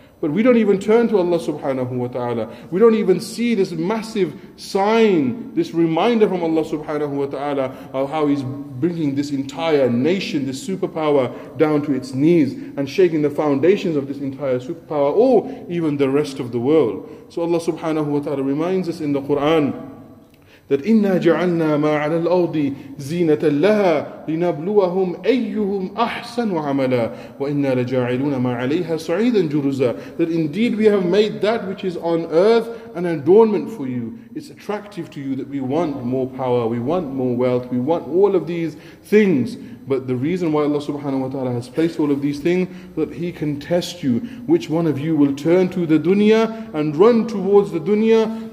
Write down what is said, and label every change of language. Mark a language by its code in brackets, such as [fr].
[en] But we don't even turn to Allah subhanahu wa ta'ala. We don't even see this massive sign, this reminder from Allah subhanahu wa ta'ala of how He's bringing this entire nation, this superpower, down to its knees and shaking the foundations of this entire superpower or even the rest of the world. So Allah subhanahu wa ta'ala reminds us in the Quran that [ar] إِنَّا جَعَلْنَا مَا عَلَى الْأَرْضِ زِينَةً لَهَا لِنَبْلُوَهُمْ أَيُّهُمْ أَحْسَنُ عَمَلًا وَإِنَّا لَجَاعِلُونَ مَا عَلَيْهَا صَعِيدًا جُرُزًا. [en] That indeed we have made that which is on earth an adornment for you. It's attractive to you that we want more power, we want more wealth, we want all of these things. But the reason why Allah subhanahu wa ta'ala has placed all of these things, that He can test you. Which one of you will turn to the dunya and run towards the dunya?